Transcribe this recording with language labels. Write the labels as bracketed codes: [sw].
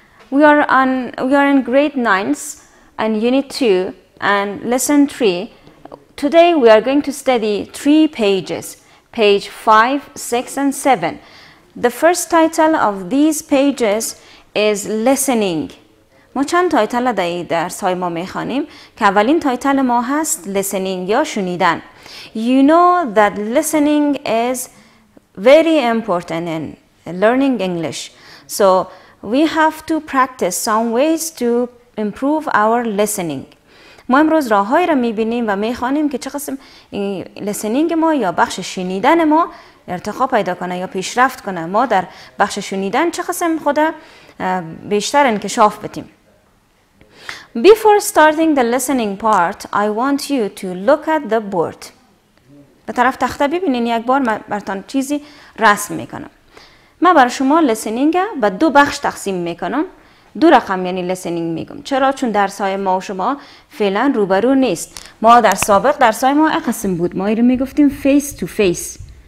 [en] We are in grade 9 and unit 2 and lesson 3. Today we are going to study three pages, page 5, 6 and 7. The first title of these pages is listening. [fa] ما چند تایتل دهی درس های ما میخوانیم که اولین تایتل ما هست listening یا شنیدن. [en] You know that listening is very important in learning English. So we have to practice some ways to improve our listening. [fa] ما امروز راه های را میبینیم و میخوانیم که چه قسم listening ما یا بخش شنیدن ما ارتقا پیدا کنه یا پیشرفت کنه. ما در بخش شنیدن چه قسم خود بیشتر انکشاف بدیم. [en] Before starting the listening part, I want you to look at the board. [fa] به طرف تخته ببینین یک بار من براتون چیزی رسم میکنم. من برای شما لسنینگ به دو بخش تقسیم میکنم. دو رقم یعنی لسنینگ میگم. چرا؟ چون درس های ما و شما فعلا روبرو نیست. ما در سابق درس های ما یک قسم بود. ما اینو میگفتیم [en] face to face.